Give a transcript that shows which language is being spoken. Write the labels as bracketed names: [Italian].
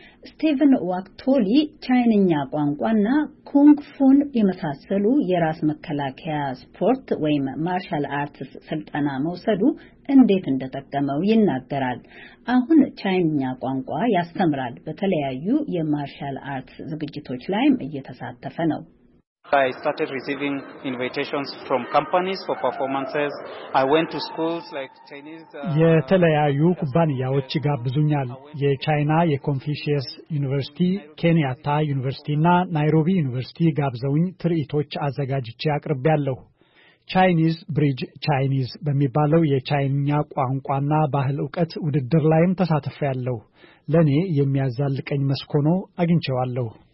[Amharic] ስቲቨን ዋክቶሊ ቻይንኛ ቋንቋና ኩንግ ፉን የመሳሰሉ የራስ መከላከያ ስፖርት ወይም ማርሻል አርትስ ስልጠና መውሰዱ እንዴት እንደተጠቀመው ይናገራል። አሁን ቻይንኛ ቋንቋ ያስተምራል። በተለያዩ የማርሻል አርትስ ዝግጅቶች ላይም እየተሳተፈ ነው። [English] I started receiving invitations from companies for performances. I went to schools like Chinese [Amharic] የተለያዩ ኩባንያዎች ጋብዙኛል። የቻይና የኮንፊሺየስ ዩኒቨርሲቲ፣ ኬንያታ ዩኒቨርሲቲ እና ናይሮቢ ዩኒቨርሲቲ ጋብዘውኝ ትርኢቶች አዘጋጅቼ አቅርቤያለሁ። ቻይኒዝ ብሪጅ ቻይኒዝ በሚባለው የቻይንኛ ቋንቋና ባህል ዕውቀት ውድድር ላይም ተሳትፌያለሁ። ለኔ የሚያዛልቀኝ መስኮ ነው አግኝቼዋለሁ።